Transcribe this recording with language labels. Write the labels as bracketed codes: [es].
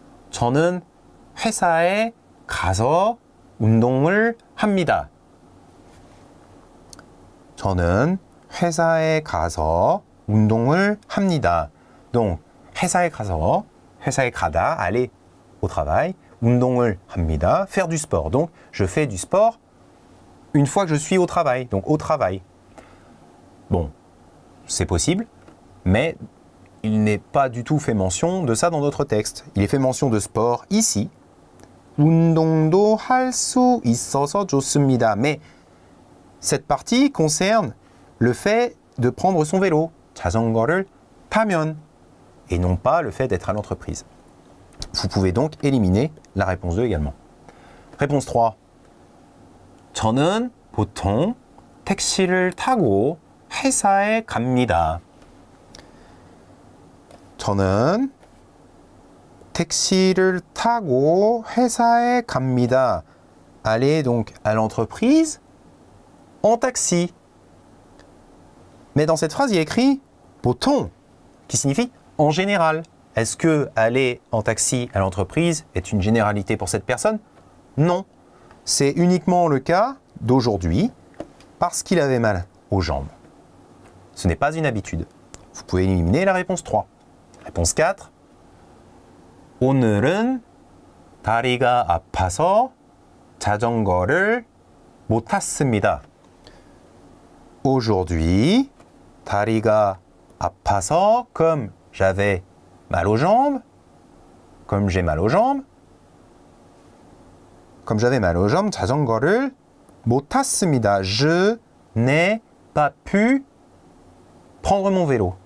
[ko] 저는 회사에 가서 운동을 합니다. 저는 회사에 가서 운동을 합니다. [fr] Donc, [ko] 회사에 가서, 회사에 가다, [fr] aller au travail, [ko] 운동을 합니다. [fr] Faire du sport. Donc, je fais du sport une fois que je suis au travail. Donc, au travail. Bon, c'est possible, mais il n'est pas du tout fait mention de ça dans notre texte. Il est fait mention de sport ici. [ko] 운동도 할 수 있어서 좋습니다. [fr] Mais cette partie concerne le fait de prendre son vélo. [ko] 자전거를 타면. [fr] Et non pas le fait d'être à l'entreprise. Vous pouvez donc éliminer la réponse 2 également. Réponse 3. [ko] 저는 보통 택시를 타고 회사에 갑니다. 저는 택시를 타고 회사에 갑니다. [fr] Aller donc à l'entreprise en taxi. Mais dans cette phrase, il y a écrit 보통, qui signifie en général. Est-ce que aller en taxi à l'entreprise est une généralité pour cette personne? Non. C'est uniquement le cas d'aujourd'hui parce qu'il avait mal aux jambes. Ce n'est pas une habitude. Vous pouvez éliminer la réponse 3. Réponse 4. [ko] 오늘은 다리가 아파서 자전거를 못 탔습니다. [fr] Aujourd'hui, [ko] 다리가 아파서 [fr] comme j'avais mal aux jambes, comme j'ai mal aux jambes, comme j'avais mal aux jambes, [ko] 자전거를 못 탔습니다. [fr] Je n'ai pas pu prendre mon vélo.